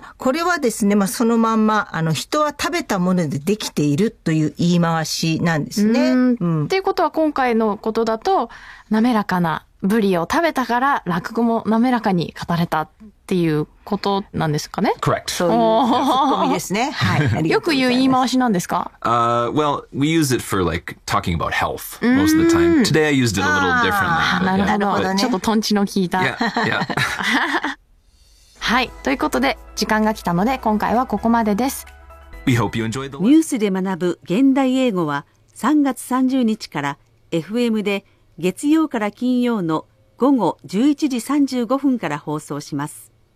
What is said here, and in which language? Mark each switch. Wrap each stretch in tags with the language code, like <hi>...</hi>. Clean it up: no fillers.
<ja>あ、これはですね、まあ、そのまんま人は食べたものでできているという言い回しなんですね。っていうことは今回のことだと、滑らかなブリを食べたから落語も滑らかに語れたっていうことなんですかね。</ja> <en>Correct.</en> <ja>そういうツッコミですね。はい、よく言う言い回しなんですか。</ja> <en>Well, we use it for like talking about health most of the time. Today I used it a little differently.</en> <ja>なるほどね。ちょっとトンチの効いた。はい、ということで時間が来たので今回はここまでです。</ja> <en>We hope you enjoyed the</en> <ja>ニュースで学ぶ現代英語は3月30日から FM で月曜から金曜の午後11時35分から放送します。</ja>